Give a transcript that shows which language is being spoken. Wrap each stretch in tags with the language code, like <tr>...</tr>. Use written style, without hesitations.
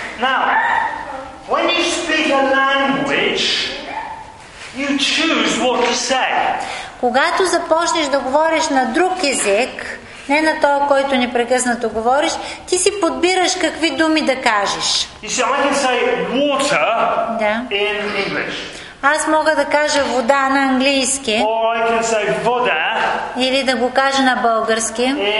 <en>Now, when you speak a language, you choose what to say.</en> <bg>Когато започнеш да говориш на друг език, не на този, който непрекъснато говориш, ти си подбираш какви думи да кажеш.</bg> <en>You see, I can say water in English.</en> <bg>Аз мога да кажа вода на английски. Вода, или да го кажа на български.</bg>